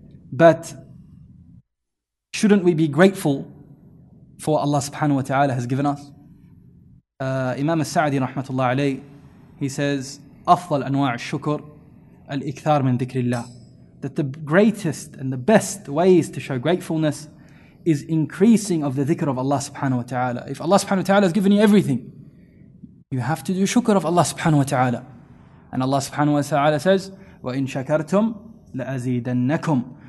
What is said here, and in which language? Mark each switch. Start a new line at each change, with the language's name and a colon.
English: But shouldn't we be grateful for what Allah subhanahu wa ta'ala has given us? Imam al-Sa'di rahmatullah alayhi, he says,
Arabic: أفضل أنواع الشكر الإكثار من ذكر الله.
English: That the greatest and the best ways to show gratefulness is increasing of the dhikr of Allah subhanahu wa ta'ala. If Allah subhanahu wa ta'ala has given you everything, you have to do shukr of Allah subhanahu wa ta'ala. And Allah subhanahu wa ta'ala says,
Arabic: وَإِن شَكَرْتُمْ لَأَزِيدَنَّكُمْ.